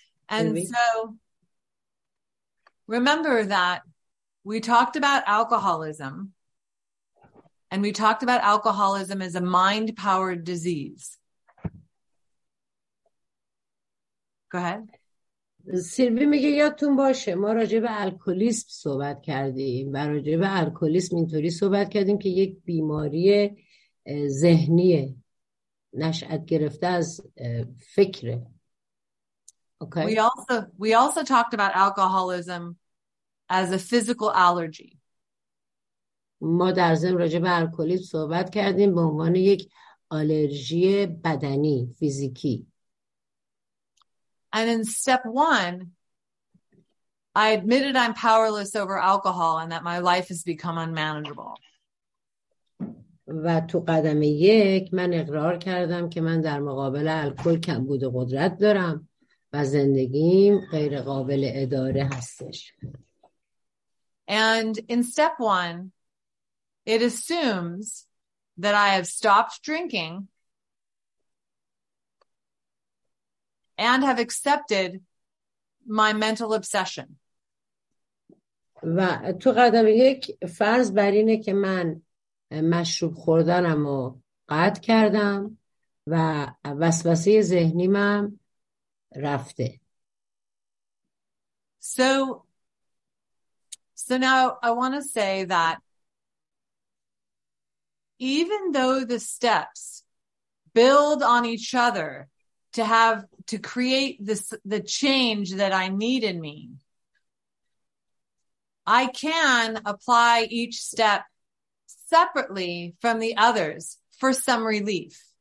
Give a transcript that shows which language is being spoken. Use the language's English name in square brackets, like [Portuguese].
[English] And so remember that we talked about alcoholism, and we talked about alcoholism as a mind-powered disease. Go ahead. [Persian] سیلوی میگه یادتون باشه ما راجع به الکلیسم صحبت کردیم و راجع به الکلیسم اینطوری صحبت کردیم که یک بیماری ذهنیه، نشأت گرفته از فکره. [English] Okay. We also talked about alcoholism as a physical allergy. [Persian] ما در ضمن راجع به الکلیسم صحبت کردیم به عنوان یک آلرژی بدنی فیزیکی. [English] And in step one, I admitted I'm powerless over alcohol and that my life has become unmanageable. [Persian] و تو قدم یک من اقرار کردم که من در مقابل الکل کمبود قدرت دارم و زندگیم غیر قابل اداره هستش. [English] And in step one, it assumes that I have stopped drinking and have accepted my mental obsession. [Persian] و تو قدم یک فرض بر اینه که من مشروب خوردنمو قطع کردم و وسوسه ذهنیم هم رفته. [English] So now I want to say that even though the steps build on each other to create the change that I need in me, I can apply each step separately from the others for some relief.